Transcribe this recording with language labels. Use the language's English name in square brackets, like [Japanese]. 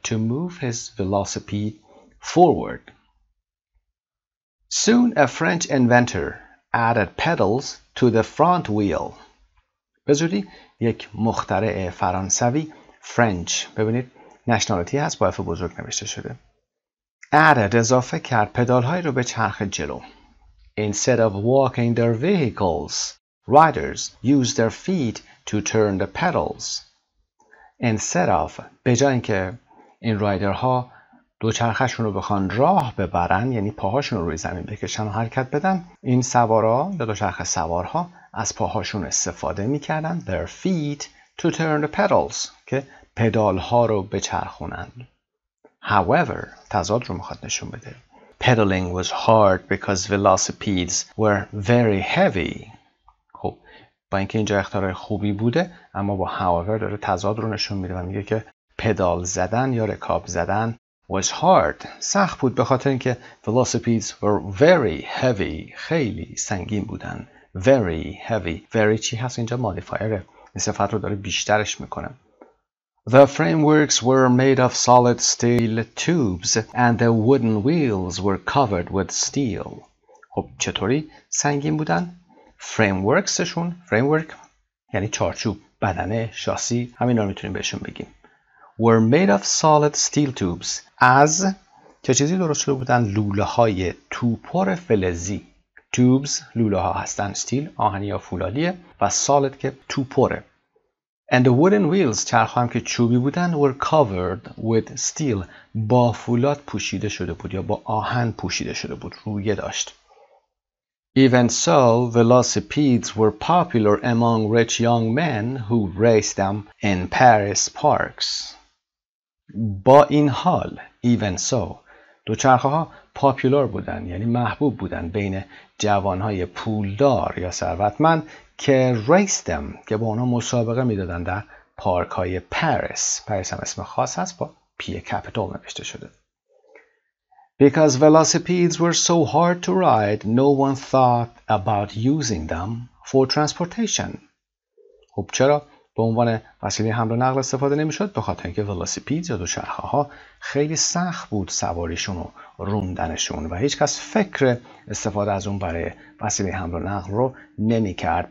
[English] To move his velocipede forward. Soon a French inventor added pedals to the front wheel. [Persian] به زودی یک مخترع فرانسوی، French، ببینید نشنالیتی هست، با اف بزرگ نوشته شده. Added، اضافه کرد پدالهای رو به چرخ جلو. [English] Instead of walking their vehicles, riders used their feet to turn the pedals. [Persian] Instead of، به جای اینکه این رایدرها دوچرخه‌شون رو بخوان راه ببرن، یعنی پاهاشون رو روی زمین بکشن و حرکت بدن، این سوارا یا دوچرخه سوارها از پاهاشون استفاده می‌کردن، [English] their feet to turn the pedals، [Persian] که پدال‌ها رو بچرخونن. [English] However، [Persian] تضاد رو می‌خواد نشون بده. [English] Pedaling was hard because velocipedes were very heavy. [Persian] با اینکه اینجا اختراع خوبی بوده، اما با however داره تضاد رو نشون میده و میگه که پدال زدن یا رکاب زدن was hard. سخت بود به خاطر اینکه [English] velocities were very heavy. [Persian] خیلی سنگین بودن. [English] Very heavy. [Persian] Very چی هست اینجا؟ مودیفایره. این صفت رو داره بیشترش میکنه. [English] The frameworks were made of solid steel tubes and the wooden wheels were covered with steel. [Persian] خب چطوری سنگین بودن؟ Frameworksشون. Framework یعنی چارچوب. بدنه، شاسی. همین رو میتونیم بهشون بگیم. [English] Were made of solid steel tubes. [Persian] از چه چیزی درست شده بودن؟ لوله های توپر فلزی. Tubes لوله ها هستن. Steel آهنی یا فولادیه و solid که توپره. [English] And the wooden wheels [Persian] چرخ هم که چوبی بودن [English] were covered with steel. [Persian] با فولاد پوشیده شده بود یا با آهن پوشیده شده بود. رویه داشت. [English] Even so, velocipedes were popular among rich young men who raced them in Paris parks. [Persian] با این حال, even so, دوچرخه‌ها پاپولار بودن یعنی محبوب بودن بین جوانهای پولدار یا ثروتمند که [English] raced them [Persian] که با اونا مسابقه میدادن در پارک‌های پاریس. پاریس هم اسم خاص هست با پی کپیتال نوشته شده. [English] Because velocipedes were so hard to ride, no one thought about using them for transportation. [Persian] خب چرا به عنوان وسیله حمل و نقل استفاده نمی‌شد؟ به خاطر اینکه velocipedes یا دوچرخه‌ها خیلی سخت بود سواریشون و روندنشون و هیچ کس فکر استفاده از اون برای وسیله حمل و نقل رو نمی‌کرد.